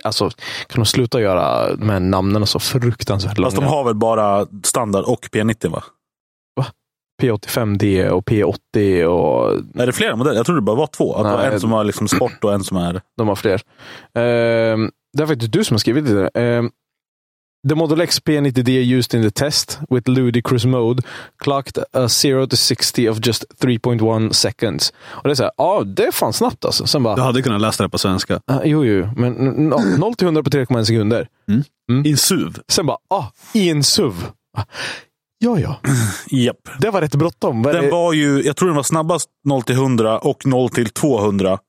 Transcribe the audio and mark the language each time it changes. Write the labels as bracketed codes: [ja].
[sv] Alltså, kan de sluta göra de här namnen så fruktansvärt långa? Fast de har väl bara standard och P90, va? Va? P85D och P80 och... Är det flera modeller? Jag tror det bara var två. Att det var en som var liksom sport och en som är... De har fler. Det är faktiskt du som har skrivit det. [en] The Model X P90D used in the test with ludicrous mode clocked a 0-60 of just 3.1 seconds. [sv] Och det är så här, det är fan snabbt alltså. Sen bara, du hade kunnat läsa det på svenska. Jo, men 0-100 på 3,1 sekunder. Mm. Mm. I en SUV. Sen bara, i en SUV. Ja. [en] Yep. [sv] Det var rätt bråttom. Jag tror den var snabbast 0-100 och 0-200.